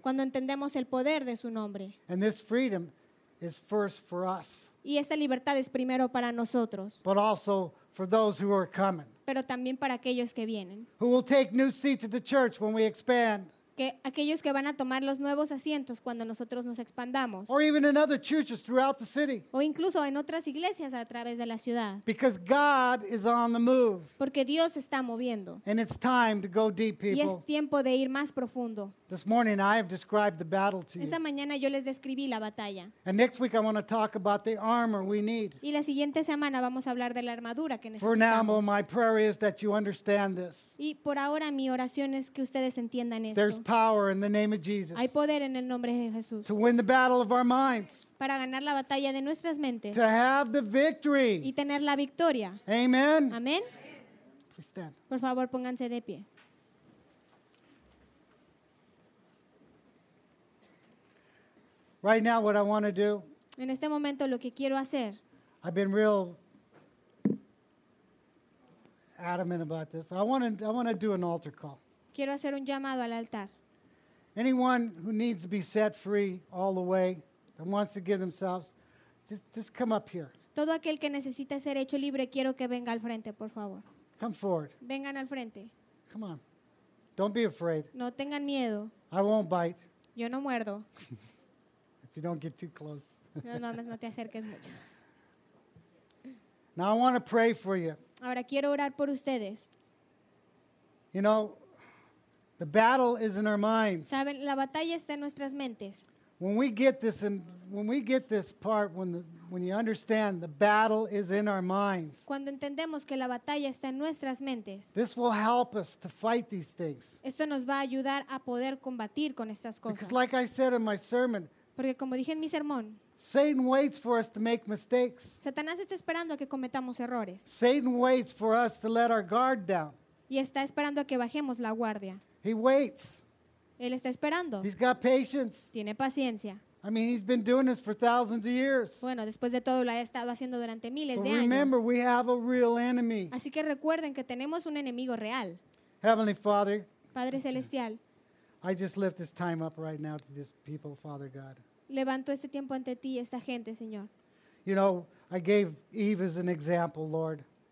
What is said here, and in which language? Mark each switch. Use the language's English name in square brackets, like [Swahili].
[Spanish] Cuando entendemos el poder de su nombre. [English] And this freedom is first for us. [Spanish] Y esta libertad es primero para nosotros. [English] But also for those who are coming. [Spanish] Pero también para aquellos que vienen. [English] Who will take new seats at the church when we expand. [Spanish] Que aquellos que van a tomar los nuevos asientos cuando nosotros nos expandamos. [English] Or even in other churches throughout the city. [Spanish] O incluso en otras iglesias a través de la ciudad. [English] Because God is on the move. [Spanish] Porque Dios está moviendo. [English] And it's time to go deep, people. [Spanish] Y es tiempo de ir más profundo. [English] This morning I have described the battle to you. [Spanish] Esta mañana yo les describí la batalla. [English] And next week I want to talk about the armor we need. [Spanish] Y la siguiente semana vamos a hablar de la armadura que necesitamos. [English] For now, my prayer is that you understand this. [Spanish] Y por ahora mi oración es que ustedes entiendan esto. [English] There's power in the name of Jesus. [Spanish] Hay poder en el nombre de Jesús. [English] To win the battle of our minds. [Spanish] Para ganar la batalla de nuestras mentes. [English] To have the victory. [Spanish] Y tener la victoria. [English] Amen. [Spanish] Amen. [English] Please stand. [Spanish] Por favor, pónganse de pie. [English] Right now, what I want to do. [Spanish] En este momento, lo que quiero hacer. [English] I've been real adamant about this. I want to do an altar call. [Spanish] Quiero hacer un llamado al altar. [English] Anyone who needs to be set free all the way and wants to give themselves, just come up here. [Spanish] Todo aquel que necesita ser hecho libre, quiero que venga al frente, por favor. [English] Come forward. [Spanish] Vengan al frente. [English] Come on. Don't be afraid. [Spanish] No tengan miedo. [English] I won't bite. [Spanish] Yo no muerdo. [English] You don't get too close. [Spanish] No te acerques mucho. [English] Now I want to pray for you. [Spanish] Ahora quiero orar por ustedes. [English] You know, the battle is in our minds. [Spanish] Saben, la batalla está en nuestras mentes. [English] When we get this, and when we get this part, when you understand the battle is in our minds. [Spanish] Cuando entendemos que la batalla está en nuestras mentes. [English] This will help us to fight these things. [Spanish] Esto nos va a ayudar a poder combatir con estas cosas. [English] Because like I said in my sermon. [Spanish] Porque como dije en mi sermón, [English] Satan waits for us to make mistakes. [Spanish] Satanás está esperando a que cometamos errores. [English] Satan waits for us to let our guard down. [Spanish] Y está esperando a que bajemos la guardia. [English] He waits. [Spanish] Él está esperando. [English] He's got patience. [Spanish] Tiene paciencia. [English] I mean, he's been doing this for thousands of years. [Spanish] Bueno, después de todo lo ha estado haciendo durante miles [English] so [Spanish] de años. [English] Remember, we have a real enemy. [Spanish] Así que recuerden que tenemos un enemigo real. [English] Heavenly Father. [Spanish] Padre celestial. [English] I just lift this time up right now to this people, Father God. [Spanish] Levanto este tiempo ante ti, esta gente, Señor. [English] You know, I gave Eve as an example, Lord.